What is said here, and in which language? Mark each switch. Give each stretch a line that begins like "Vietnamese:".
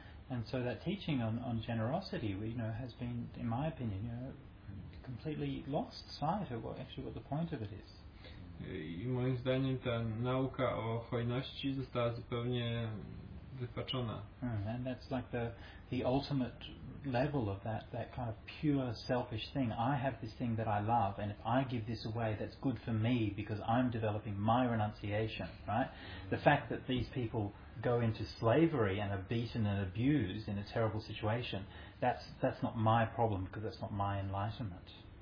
English: And so that teaching on generosity, you know, has been, in my opinion, you know, completely lost sight of what the point of it is.
Polish: I moim zdaniem ta nauka o hojności została zupełnie wypaczona.
English: And that's like the ultimate level of that kind of pure selfish thing. I have this thing that I love, and if I give this away, that's good for me because I'm developing my renunciation, right? The fact that these people go into slavery and are beaten and abused in a terrible situation, that's not my problem, because that's not my enlightenment.